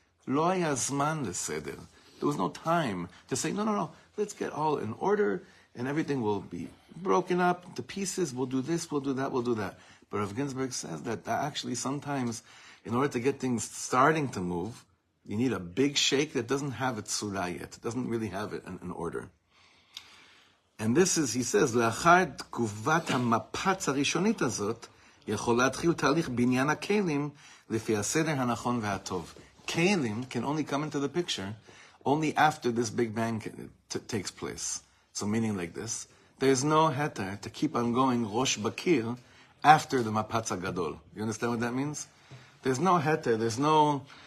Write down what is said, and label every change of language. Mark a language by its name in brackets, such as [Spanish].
[Hebrew] Lo yazman le seder. [English] There was no time to say, no, let's get all in order and everything will be broken up into pieces. We'll do this, we'll do that, we'll do that. But Rav Ginsburg says that actually sometimes, in order to get things starting to move, you need a big shake that doesn't have its surah yet, doesn't really have it in order. And this is, he says, [Hebrew] לאחר תגובת המפץ הראשונית הזאת, יכול להתחיל תהליך בניין הכלים לפי הסדר הנכון והטוב. [English] Kalim can only come into the picture only after this big bang takes place. So meaning like this, there is no heter to keep on going Rosh Bakir after the Mapatz HaGadol. You understand what that means? There's no heter, there's no...